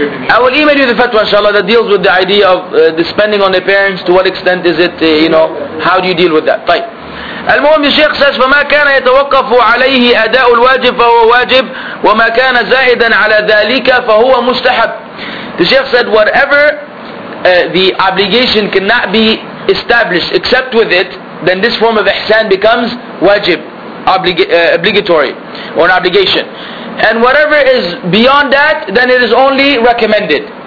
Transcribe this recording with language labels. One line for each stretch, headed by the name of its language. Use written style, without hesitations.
English: I will email you the fatwa, inshallah, that deals with the idea of the spending on the parents. To what extent is it, you know, how do you deal with that?
Arabic: طيب. المهم الشيخ says, فما كان يتوقف عليه أداء الواجب فهو واجب وما كان زائدا على ذلك فهو مستحب.
English: The Sheikh said, whatever the obligation cannot be established except with it, then this form of ihsan becomes wajib, obligatory or an obligation. And whatever is beyond that, then it is only recommended.